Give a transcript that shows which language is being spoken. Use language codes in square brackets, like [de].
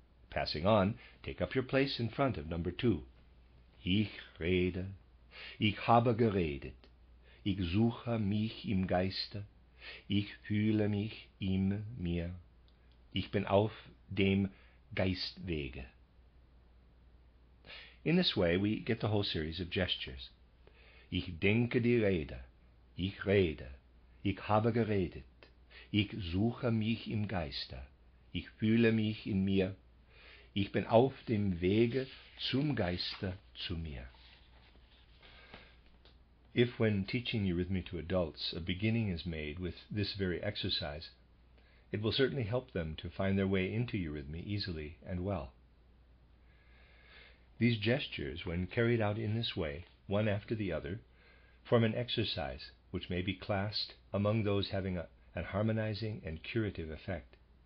[en] Passing on, take up your place in front of number two, [de] ich rede, ich habe geredet, ich suche mich im Geiste, ich fühle mich in mir, ich bin auf dem Geistwege. [en] In this way, we get the whole series of gestures. [de] Ich denke die Rede, ich rede, ich habe geredet, ich suche mich im Geiste, ich fühle mich in mir, ich bin auf dem Wege zum Geiste zu mir. [en] If when teaching Eurythmy to adults a beginning is made with this very exercise, it will certainly help them to find their way into Eurythmy easily and well. These gestures, when carried out in this way, one after the other, form an exercise which may be classed among those having an harmonizing and curative effect.